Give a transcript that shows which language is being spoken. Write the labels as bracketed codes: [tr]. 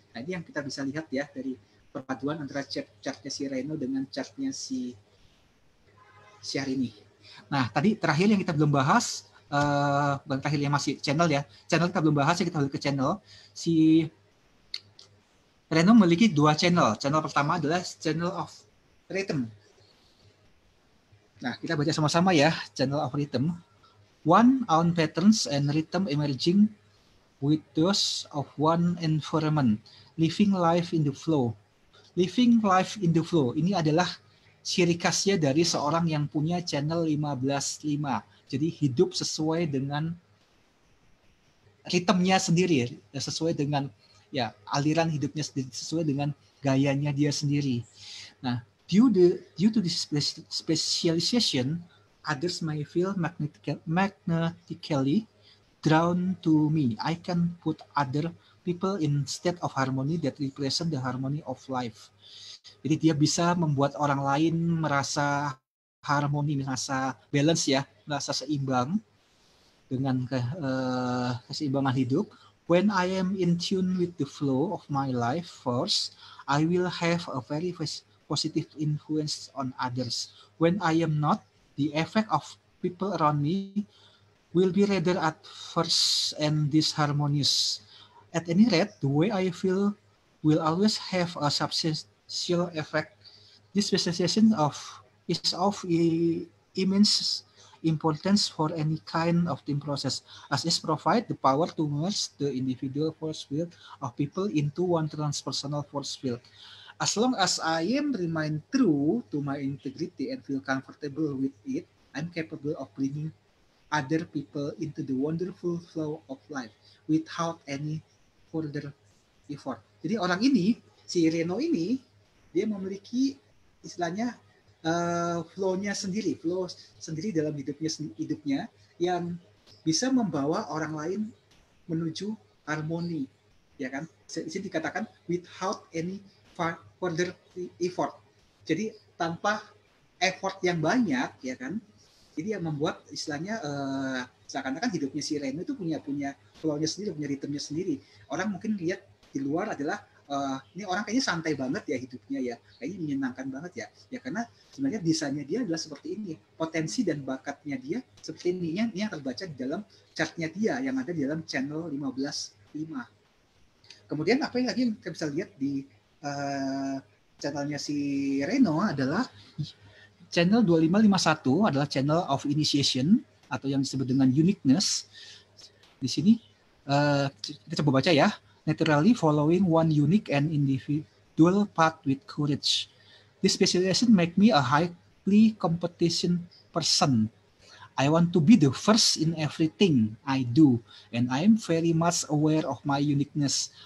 [id] Nah, ini yang kita bisa lihat ya dari perpaduan antara chart-nya si Reno dengan chart-nya si Syahrini. Nah, tadi terakhir yang kita belum bahas, bukan terakhir yang masih channel ya. Channel kita belum bahas, ya kita balik ke channel. Si Reno memiliki dua channel. Channel pertama adalah channel of rhythm. Nah, kita baca sama-sama ya, channel of rhythm. [en] One own patterns and rhythm emerging with those of one environment. Living life in the flow. Living life in the flow. [id] Ini adalah ciri khasnya dari seorang yang punya channel 15-5. Jadi hidup sesuai dengan ritmenya sendiri, sesuai dengan ya aliran hidupnya sendiri, sesuai dengan gayanya dia sendiri. [en] Nah, due to this specialization, others may feel magnetically drawn to me. I can put other people in state of harmony that represent the harmony of life. [id] Jadi dia bisa membuat orang lain merasa harmoni, merasa balance ya, merasa seimbang dengan keseimbangan hidup. [en] When I am in tune with the flow of my life force, I will have a very positive influence on others. When I am not, the effect of people around me will be rather adverse and disharmonious. At any rate, the way I feel will always have a substantial effect. This specialization of is of immense importance for any kind of team process, as it provides the power to merge the individual force field of people into one transpersonal force field. As long as I am remain true to my integrity and feel comfortable with it, I'm capable of bringing other people into the wonderful flow of life without any further effort. [id] Jadi orang ini, si Reno ini, dia memiliki istilahnya flow sendiri dalam hidupnya yang bisa membawa orang lain menuju harmoni, ya kan? Jadi dikatakan [en] without any further effort. [id] Jadi tanpa effort yang banyak, ya kan? Jadi yang membuat istilahnya seakan-akan hidupnya si Reno itu punya flow-nya sendiri, punya ritmenya sendiri. Orang mungkin lihat di luar adalah ini orang kayaknya santai banget ya hidupnya ya, kayaknya menyenangkan banget ya. Ya karena sebenarnya desainnya dia adalah seperti ini, potensi dan bakatnya dia seperti ini. Ini yang terbaca di dalam chart-nya dia yang ada di dalam channel 15-5. Kemudian apa yang lagi yang kita bisa lihat di channel-nya si Reno adalah channel 2551 adalah channel of initiation atau yang disebut dengan uniqueness. Di sini kita coba baca ya. [en] Naturally following one unique and individual path with courage. This specialization make me a highly competition person. I want to be the first in everything I do, and I am very much aware of my uniqueness.